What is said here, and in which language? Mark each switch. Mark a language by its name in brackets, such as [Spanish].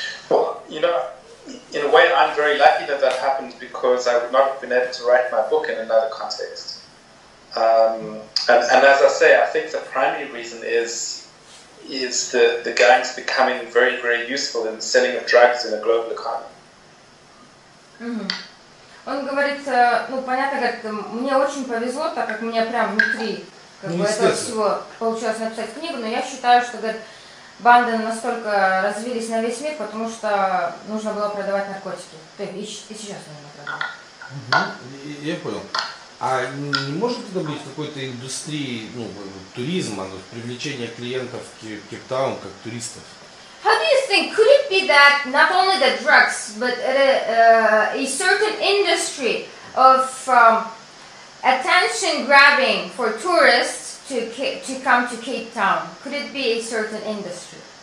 [English] Well, you know, in a way, I'm very lucky that that happened, because I would not have been able to write my book in another context. And as I say, I think the primary reason is the gangs becoming very, very useful in the selling of drugs in a global economy. Mm-hmm. [Russian] Он говорит, ну понятно, говорит, мне очень повезло, так как у меня прям внутри как бы этого всего получилось написать книгу, но я считаю, что говорит, банды настолько развились на весь мир, потому что нужно было продавать наркотики. И сейчас нужно продавать. Я понял. А не может это быть какой-то индустрии, ну, туризма, ну, привлечения клиентов в Кейптаун как туристов? [English] How do you think, could it be that not only the drugs, but a certain industry of attention grabbing for tourists to come to Cape Town? Could it be a certain industry?